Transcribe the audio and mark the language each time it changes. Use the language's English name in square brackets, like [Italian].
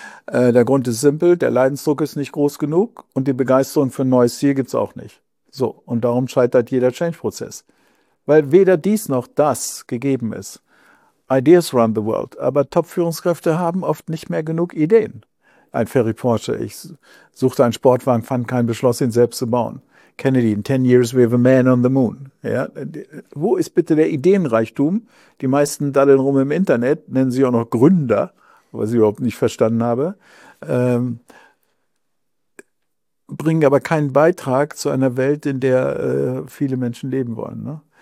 [German] Der Grund ist simpel, der Leidensdruck ist nicht groß genug und die Begeisterung für ein neues Ziel gibt es auch nicht. So, und darum scheitert jeder Change-Prozess. Weil weder dies noch das gegeben ist. [English] Ideas run the world, [German] aber Top-Führungskräfte haben oft nicht mehr genug Ideen. Ein Ferry Porsche, ich suchte einen Sportwagen, fand keinen, beschloss, ihn selbst zu bauen. [English] Kennedy, in 10 years we have a man on the moon. [German] Ja? Wo ist bitte der Ideenreichtum? Die meisten daddeln rum im Internet, nennen sie auch noch Gründer, was ich überhaupt nicht verstanden habe, bringen aber keinen Beitrag zu einer Welt, in der viele Menschen leben wollen. Ne?